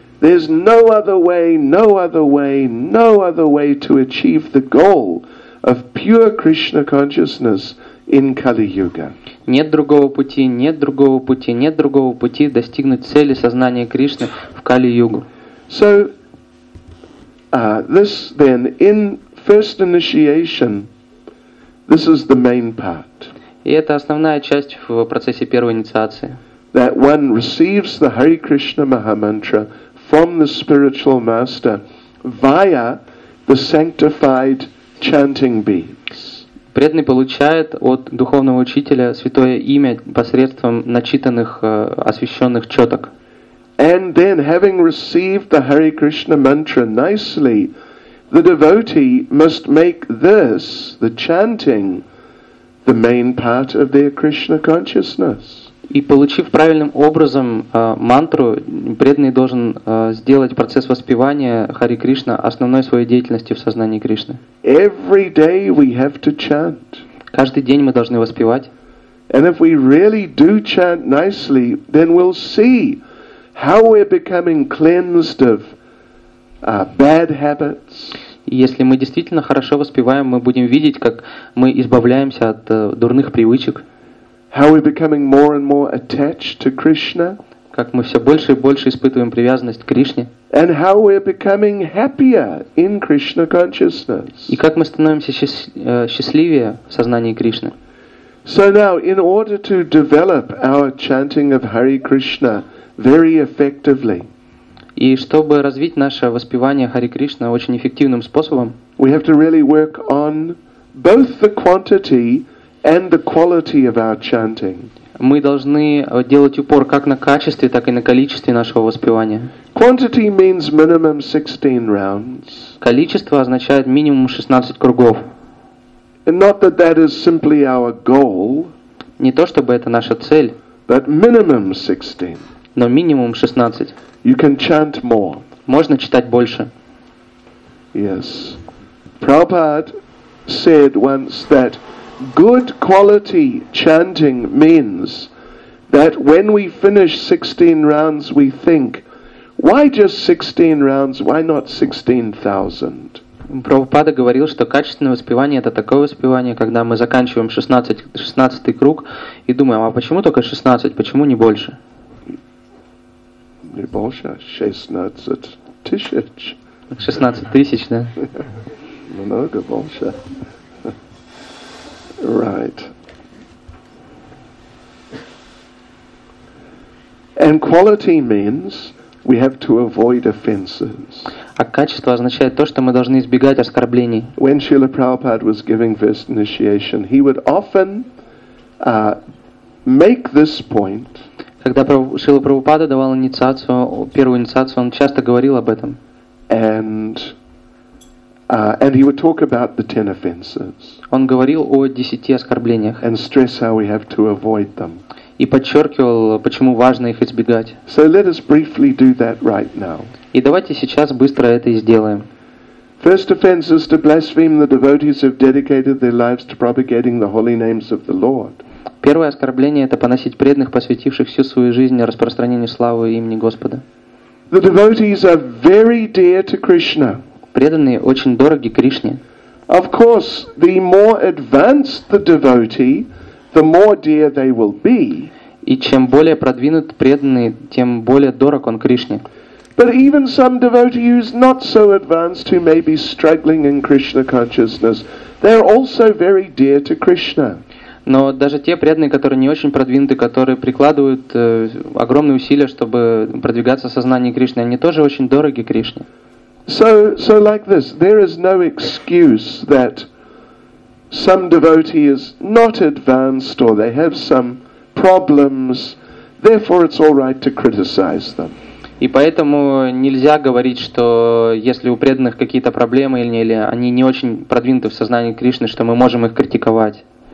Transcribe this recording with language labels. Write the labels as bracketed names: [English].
[English] There's no other way to achieve the goal of pure Krishna consciousness in Kali Yuga. [Russian] Нет другого пути достигнуть цели сознания Кришны в Кали-Югу. [English] So, this then, in first initiation, this is the main part. [Russian] И это основная часть в процессе первой инициации. [English] That one receives the Hare Krishna Mahamantra from the spiritual master via the sanctified chanting beads. [Russian] Преданный получает от духовного учителя святое имя посредством начитанных освященных чёток. [English] And then, having received the Hare Krishna mantra nicely, the devotee must make this, the chanting, the main part of their Krishna consciousness. [Russian] И получив правильным образом мантру, преданный должен сделать процесс воспевания Хари Кришна основной своей деятельностью в сознании Кришны. [English] Every day we have to chant. [Russian] Каждый день мы должны воспевать. [English] And if we really do chant nicely, then we'll see how we're becoming cleansed of bad habits. [Russian] Если мы действительно хорошо воспеваем, мы будем видеть, как мы избавляемся от дурных привычек. [English] How we're becoming more and more attached to Krishna. [Russian] Как мы все больше и больше испытываем привязанность к Кришне. [English] And how we're becoming happier in Krishna consciousness. [Russian] И как мы становимся счастливее в сознании Кришны. [English] So now, in order to develop our chanting of Hare Krishna very effectively. [Russian] И чтобы развить наше воспевание Хари Кришна очень эффективным способом. [English] We have to really work on both the quantity and the quality of our chanting. [Russian] Мы должны делать упор как на качестве, так и на количестве нашего воспевания. [English] Quantity means minimum 16 rounds. [Russian] Количество означает минимум 16 кругов. [English] And not that that is simply our goal. [Russian] Не то чтобы это наша цель. [English] But minimum 16. [Russian] Но минимум 16. [English] You can chant more. [Russian] Можно читать больше. [English] Yes. Prabhupada said once that good quality chanting means that when we finish 16 rounds, we think, why just 16 rounds? Why not 16,000? [Russian] Прабхупада говорил, что качественное воспевание – это такое воспевание, когда мы заканчиваем 16-й круг и думаем, а почему только 16, почему не больше? Не больше, 16 тысяч. 16 тысяч, да? Много больше. [English] Right. And quality means we have to avoid offenses. [Russian] А качество означает то, что мы должны избегать оскорблений. [English] When Srila Prabhupada was giving this initiation, he would often make this point. [Russian] Когда Шрила Прабхупада давал инициацию, первую инициацию, он часто говорил об этом. [English] And he would talk about the 10 offenses. [Russian] Он говорил о 10 оскорблениях. [English] And stress how we have to avoid them. [Russian] И подчеркивал, почему важно их избегать. [English] So let us briefly do that right now. [Russian] И давайте сейчас быстро это и сделаем. [English] First offense is to blaspheme the devotees who have dedicated their lives to propagating the holy names of the Lord. [Russian] Первое оскорбление – это поносить преданных, посвятивших всю свою жизнь распространению славы имени Господа. [English] The devotees are very dear to Krishna. [Russian] Преданные очень дороги Кришне. [English] Of course, the more advanced the devotee, the more dear they will be. [Russian] И чем более продвинут преданный, тем более дорог он Кришне. [English] But even some devotee who's not so advanced, who may be struggling in Krishna consciousness, they're also very dear to Krishna. [Russian] Но даже те преданные, которые не очень продвинуты, которые прикладывают огромные усилия, чтобы продвигаться в сознании Кришны, они тоже очень дороги Кришне. [English] So like this, there is no excuse that some devotee is not advanced or they have some problems, therefore it's all right to criticize them. [Russian] И поэтому нельзя говорить, что если у преданных какие-то проблемы или они не очень продвинуты в сознании Кришны, что мы можем их критиковать.